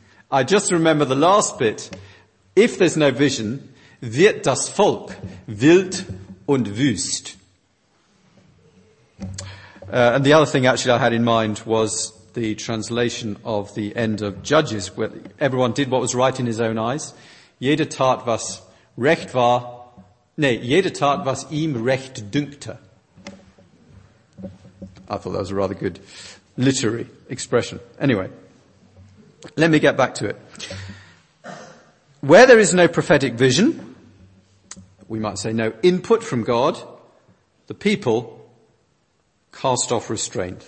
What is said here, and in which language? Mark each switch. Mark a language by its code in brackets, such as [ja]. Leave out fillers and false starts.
[en] I just remember the last bit. "If there's no vision, [de] wird das Volk wild und wüst. [en] And the other thing actually I had in mind was the translation of the end of Judges, where everyone did what was right in his own eyes. [de] Jeder tat, was recht war. Jeder tat, was ihm recht dünkte. [en] I thought that was a rather good literary expression. Anyway, let me get back to it. Where there is no prophetic vision, we might say no input from God, the people cast off restraint.